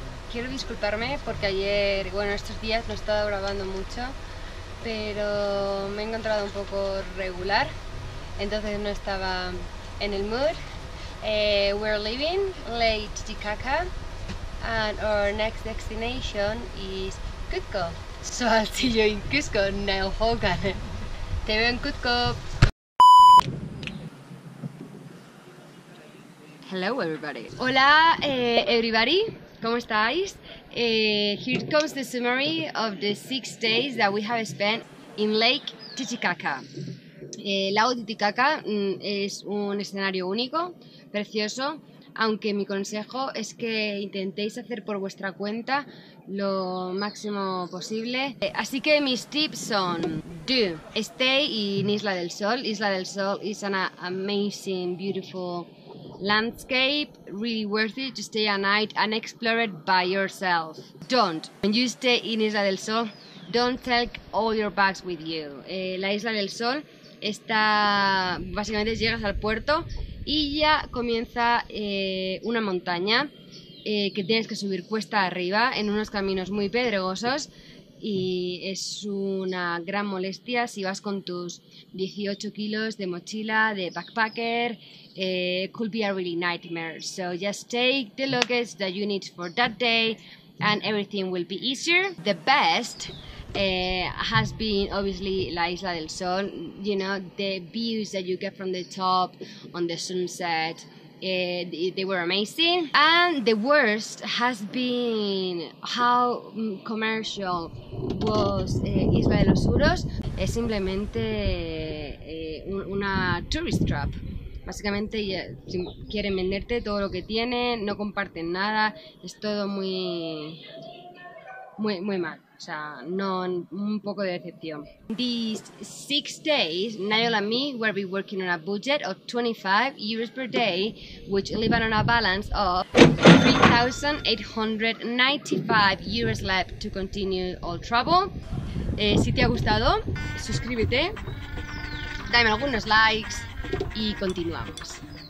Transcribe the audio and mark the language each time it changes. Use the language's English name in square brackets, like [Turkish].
[Spanish] Quiero disculparme porque ayer, bueno, estos días no he estado grabando mucho, pero me he encontrado un poco regular, entonces no estaba en el mood. [English] We're leaving Lake Titicaca, and our next destination is Cusco. So I'll see you in Cusco, Neil Hogan. [Spanish] Te veo en Cusco. [English] Hello everybody. [Spanish] Hola, [English] everybody. [Spanish] ¿Cómo estáis? [English] Here comes the summary of the 6 days that we have spent in Lake Titicaca. [Spanish] Lago Titicaca es un escenario único, precioso, aunque mi consejo es que intentéis hacer por vuestra cuenta lo máximo posible. Así que mis tips son: [English] do stay in [Spanish] Isla del Sol. [English] Isla del Sol is an amazing, beautiful landscape, really worth it to stay a night and explore it by yourself. Don't, when you stay in Isla del Sol, don't take all your bags with you. [Spanish] La Isla del Sol está, básicamente llegas al puerto y ya comienza una montaña que tienes que subir cuesta arriba en unos caminos muy pedregosos, y es una gran molestia si vas con tus 18 kilos de mochila, de backpacker. [English] Could be a really nightmare, so just take the luggage that you need for that day and everything will be easier. The best has been obviously La Isla del Sol, you know, the views that you get from the top on the sunset, they were amazing. And the worst has been how commercial was Isla de los Suros. [Spanish] Es simplemente una [English] tourist trap. [Spanish] Básicamente quieren venderte todo lo que tienen, no comparten nada, es todo muy, muy, muy mal. O sea, no, un poco de decepción. [English] These 6 days, Niall and me will be working on a budget of 25 euros per day, which leave on a balance of 3,895 euros left to continue all trouble. [Spanish] Si te ha gustado, suscríbete, dame algunos likes y continuamos.